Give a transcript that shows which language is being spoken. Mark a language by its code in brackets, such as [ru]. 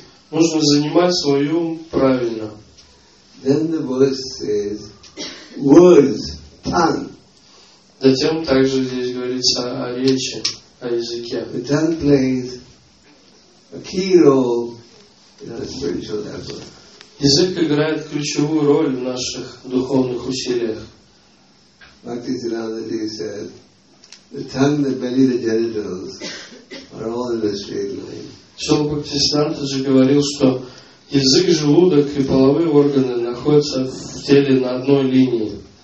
[ru] Нужно занимать свой ум правильно. [en] Then the voice says, words, tongue. [ru] Затем также здесь говорится о речи, о языке. [en] The tongue plays a key role in our spiritual effort. [ru] Язык играет ключевую роль в наших духовных усилиях. [en] Bhaktisiddhanta said, the tongue, the belly, the genitals are all in a straight line. [ru] Шрила Бхактисиддханта же говорил, что язык, желудок и половые органы находятся в теле на одной линии.